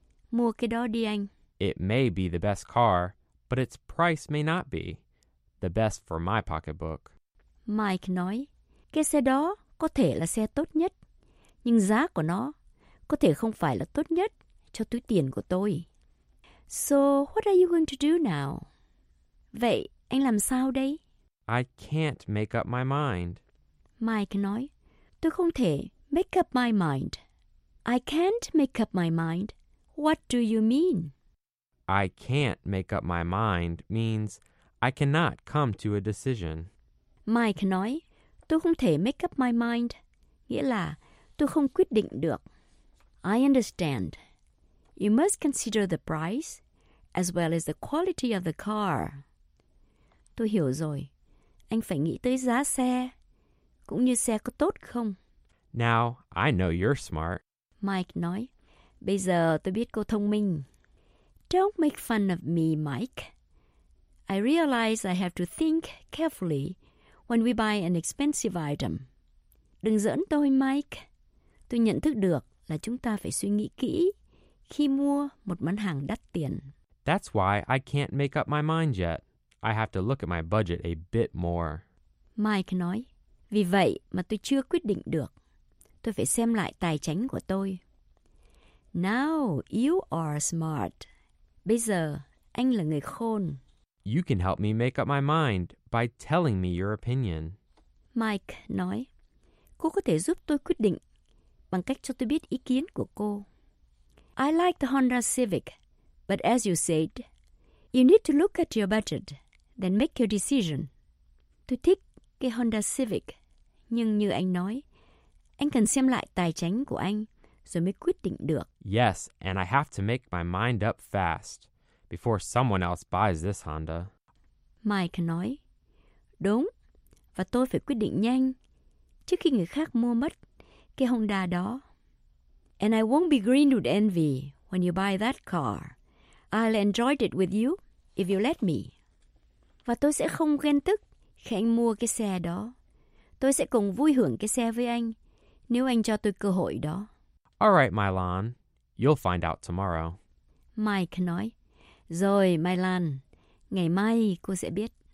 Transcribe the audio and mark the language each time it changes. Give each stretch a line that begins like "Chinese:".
Vietnamese: Mua cái đó đi anh.
English: It may be the best car, but its price may not be the best for my pocketbook.
Vietnamese: Mike nói, cái xe đó có thể là xe tốt nhất. Nhưng giá của nó có thể không phải là tốt nhất cho túi tiền của tôi.
English: So, what are you going to do now?
Vietnamese: Vậy, anh làm sao đây?
English: I can't make up my mind.
Vietnamese: Mike nói, tôi không thể
English: make up my mind. I can't make up my mind. What do you mean? I can't make up my mind means I cannot come to a decision.
Vietnamese: Mike nói, tôi không thể
English: make up my mind.
Vietnamese: Nghĩa là, tôi không quyết định được.
English: I understand. You must consider the price as well as the quality of the car.
Vietnamese: Tôi hiểu rồi. Anh phải nghĩ tới giá xe, cũng như xe có tốt không.
English: Now, I know you're smart.
Vietnamese: Mike nói, bây giờ tôi biết cô thông minh.
English: Don't make fun of me, Mike. I realize I have to think carefully when we buy an expensive item.
Vietnamese: Đừng giỡn tôi, Mike. Tôi nhận thức được là chúng ta phải suy nghĩ kỹ khi mua một món hàng đắt tiền.
English: That's why I can't make up my mind yet. I have to look at my budget a bit more.
Vietnamese: Mike nói, vì vậy mà tôi chưa quyết định được. Tôi phải xem lại tài chính của tôi.
English: Now you are smart.
Vietnamese: Bây giờ, anh là người khôn.
English: You can help me make up my mind by telling me your opinion.
Vietnamese: Mike nói, cô có thể giúp tôi quyết định bằng cách cho tôi biết ý kiến của cô.
English: I like the Honda Civic, but as you said, you need to look at your budget, then make your decision.
Vietnamese: Tôi thích cái Honda Civic, nhưng như anh nói, anh cần xem lại tài chính của anh rồi mới quyết định được.
English: Yes, and I have to make my mind up fast before someone else buys this Honda.
Vietnamese: Mike nói, đúng, và tôi phải quyết định nhanh trước khi người khác mua mất cái Honda đó.
English: And I won't be green with envy when you buy that car. I'll enjoy it with you if you let me.
Vietnamese: Và tôi sẽ không ghen tức Khi anh mua cái xe đó, tôi sẽ cùng vui hưởng cái xe với anh nếu anh cho tôi cơ hội đó.
English: All right, Mylan. You'll find out tomorrow.
Vietnamese: Mike nói, rồi Mylan, ngày mai cô sẽ biết.